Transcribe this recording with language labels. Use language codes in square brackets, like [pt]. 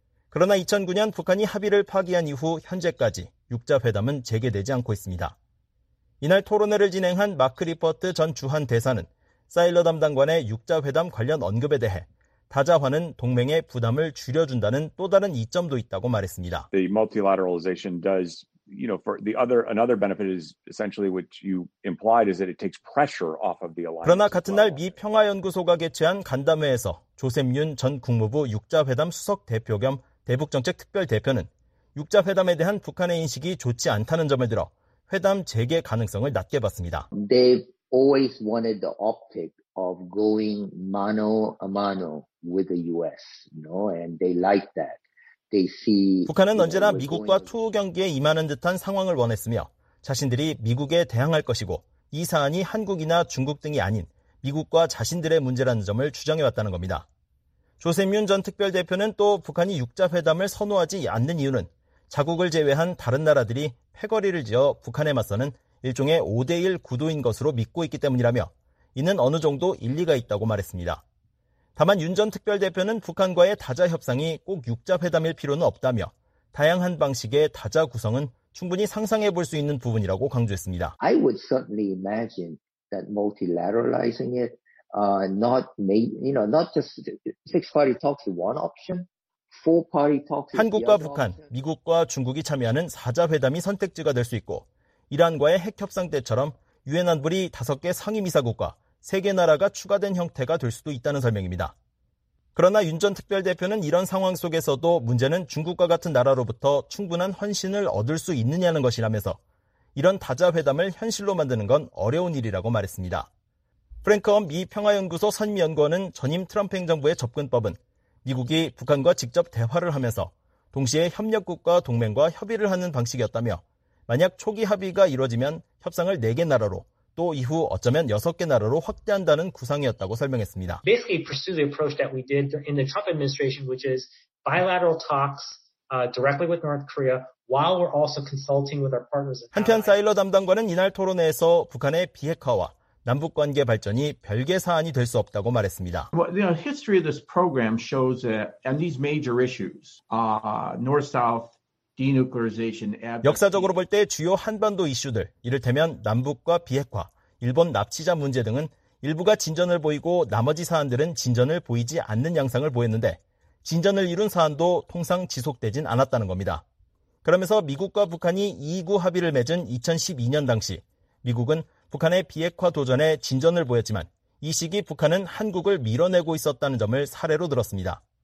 [ko] 그러나 2009년 북한이 합의를 파기한 이후 현재까지 6자회담은 재개되지 않고 있습니다. 이날 토론회를 진행한 마크 리퍼트 전 주한대사는 사일러 담당관의 6자회담 관련 언급에 대해 다자화는 동맹의 부담을 줄여준다는 또 다른 이점도 있다고 말했습니다. [en] The multilateralization does, you know, for the other another benefit is essentially what you implied is that it takes pressure off of the alliance. [ko] 그러나 같은 날 미 평화연구소가 개최한 간담회에서 조셉 윤 전 국무부 6자회담 수석 대표 겸 대북정책 특별 대표는 6자회담에 대한 북한의 인식이 좋지 않다는 점을 들어 회담 재개 가능성을 낮게 봤습니다. [en] They've always wanted the optic of going mano a mano with the US, you know, and they like that. They see [ko] 북한은 언제나 미국과 투우 경기에 임하는 듯한 상황을 원했으며 자신들이 미국에 대항할 것이고 이 사안이 한국이나 중국 등이 아닌 미국과 자신들의 문제라는 점을 주장해 왔다는 겁니다. 조셉 윤 전 특별 대표는 또 북한이 6자 회담을 선호하지 않는 이유는 자국을 제외한 다른 나라들이 패거리를 지어 북한에 맞서는 일종의 5대1 구도인 것으로 믿고 있기 때문이라며 이는 어느 정도 일리가 있다고 말했습니다. 다만 윤 전 특별대표는 북한과의 다자 협상이 꼭 6자회담일 필요는 없다며 다양한 방식의 다자 구성은 충분히 상상해 볼 수 있는 부분이라고 강조했습니다. [en] I would certainly imagine that multilateralizing it, not maybe, you know, not just six-party talks is one option. [ko] 한국과 북한, 미국과 중국이 참여하는 4자회담이 선택지가 될 수 있고 이란과의 핵협상 때처럼 유엔 안보리 5개 상임이사국과 3개 나라가 추가된 형태가 될 수도 있다는 설명입니다. 그러나 윤 전 특별대표는 이런 상황 속에서도 문제는 중국과 같은 나라로부터 충분한 헌신을 얻을 수 있느냐는 것이라면서 이런 다자회담을 현실로 만드는 건 어려운 일이라고 말했습니다. 프랭크 엄 미 평화연구소 선임연구원은 전임 트럼프 행정부의 접근법은 미국이 북한과 직접 대화를 하면서 동시에 협력국과 동맹과 협의를 하는 방식이었다며 만약 초기 합의가 이루어지면 협상을 4개 나라로 또 이후 어쩌면 6개 나라로 확대한다는 구상이었다고 설명했습니다. [en] Basically pursue the approach that we did in the Trump administration, which is bilateral talks directly with North Korea while we're also consulting with our partners. [ko] 한편 사일러 담당관은 이날 토론회에서 북한의 비핵화와 남북 관계 발전이 별개 사안이 될 수 없다고 말했습니다. [en] Well, you know, history of this program shows that on these major issues, North-South denuclearization. [ko] 역사적으로 볼 때 주요 한반도 이슈들, 이를테면 남북과 비핵화, 일본 납치자 문제 등은 일부가 진전을 보이고 나머지 사안들은 진전을 보이지 않는 양상을 보였는데 진전을 이룬 사안도 통상 지속되진 않았다는 겁니다. 그러면서 미국과 북한이 2.29 합의를 맺은 2012년 당시 미국은 북한의 비핵화 도전에 진전을 보였지만 이 시기 북한은 한국을 밀어내고 있었다는 점을 사례로 들었습니다.